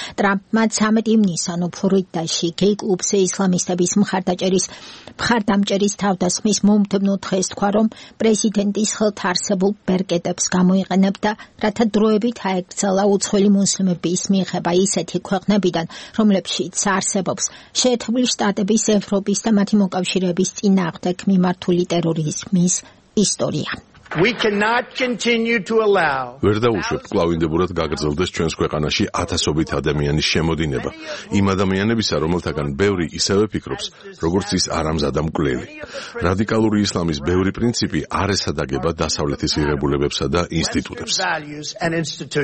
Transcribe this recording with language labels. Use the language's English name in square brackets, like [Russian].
[Georgian] ტრამპმა 13 ივნისთან ფლორიდაში გეი-კლუბზე ისლამისტების მხარდამჭერის თავდასხმის მომდევნო დღეს თქვა, რომ პრეზიდენტის ხელთ არსებულ ბერკეტებს გამოიყენებდა, რათა დროებით აეკრძალა უცხოელი მუსლიმების მიღება ისეთი ქვეყნებიდან, რომლებშიც არსებობს შეერთებული შტატების, ევროპის და მათი მოკავშირეების წინააღმდეგ მიმართული ტერორიზმის ისტორია. [English] We cannot continue to allow. [Georgian] ვერ დაუშვებთ კლავინდებურად გაგრძელდეს ჩვენს ქვეყანაში ათასობით ადამიანის შემოდინება. იმ ადამიანებისა, რომელთაგან ბევრი ისევე ფიქრობს, როგორც ის არამზადა მკვლელი. რადიკალური ისლამის ბევრი პრინციპი არ ესადაგება დასავლეთის ღირებულებებსა და ინსტიტუტებს.